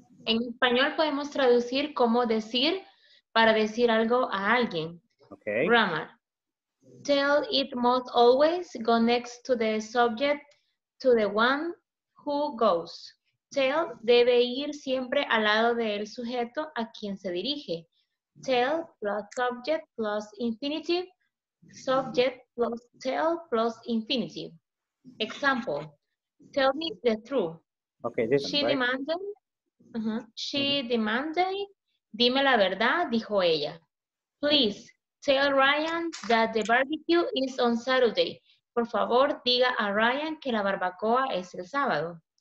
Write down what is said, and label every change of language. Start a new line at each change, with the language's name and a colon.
Spanish: En español podemos traducir como decir para decir algo a alguien.
English: Okay. Grammar. Tell it must always go next to the subject, to the one who goes.
Spanish: Tell debe ir siempre al lado del sujeto a quien se dirige.
English: Tell plus subject plus infinitive. Subject plus tell plus infinitive. Example. Tell me the truth. Okay, this one, she demanded. Uh-huh. She demanded,
Spanish: dime la verdad, dijo ella.
English: Please tell Ryan that the barbecue is on Saturday.
Spanish: Por favor, diga a Ryan que la barbacoa es el sábado.